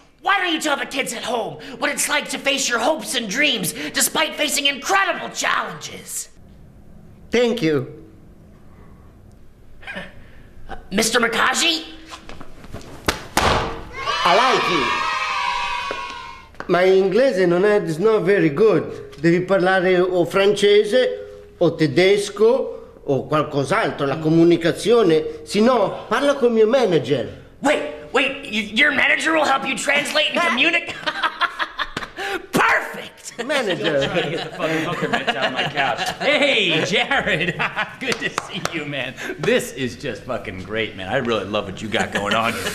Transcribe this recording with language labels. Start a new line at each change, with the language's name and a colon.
English: Why don't you tell the kids at home what it's like to face your hopes and dreams despite facing incredible challenges? Thank you. Mr. Mccaggi? I like you. My English is not very good,
Italian: devi parlare o francese o tedesco o qualcos'altro, la comunicazione. Se no, parla con mio manager.
English: Wait, your manager will help you translate and communicate? Perfect! Manager. I'm trying to get the fucking hooker bitch out of my couch. Hey, Jarrod. Good to see you, man. This is just fucking great, man. I really love what you got going on.